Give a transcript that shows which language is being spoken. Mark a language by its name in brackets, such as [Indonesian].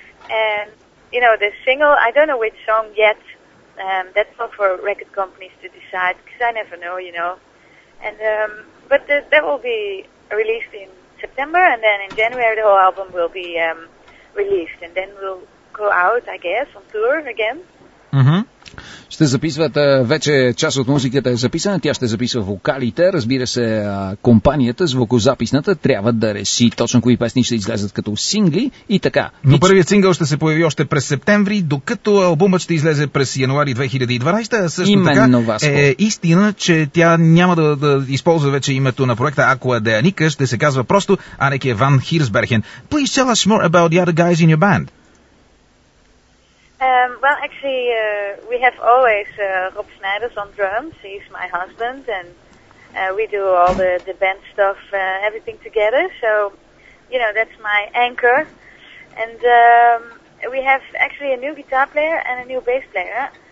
[English] And, you know, the single, I don't know which song yet. That's not for record companies to decide, because I never know, you know. And but that will be released in September, and then in January the whole album will be released, and then we'll go out, I guess, on tour again. Mm-hmm. [Bulgarian] Ще записвате вече част от музиката е записана, тя ще записва вокалите, разбира се, компанията звукозаписната трябва да реши точно кои песни ще излезат като сингли и така. Но първият сингъл ще се появи още през септември, докато албумът ще излезе през януари 2012, също така е истина, че тя няма да използва вече името на проекта Aqua de Anika, ще се казва просто Anneke van Hirsbergen. [English] Please tell us more about the other guys in your band. Well, actually, we have always Rob Snijders on drums. He's my husband, and we do all the band stuff, everything together. So, you know, that's my anchor. And we have actually a new guitar player and a new bass player.